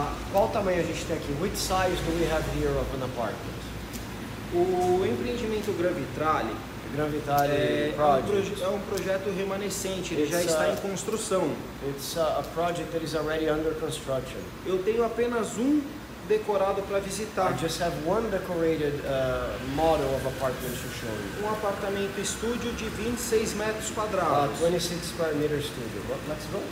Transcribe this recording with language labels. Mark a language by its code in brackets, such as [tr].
[pt] Qual tamanho a gente tem aqui? [en] Which size do we have here of an apartment? [pt] O empreendimento Gran Vitrale, [en] Gran Vitrale project. [pt] É um projeto remanescente, ele já está em construção. [en] It's a project that is already under construction. [pt] Eu tenho apenas um decorado para visitar. [en] I just have one decorated model of apartment to show you. [pt] Um apartamento estúdio de 26 metros quadrados. [en] 26 square meter studio. Let's go.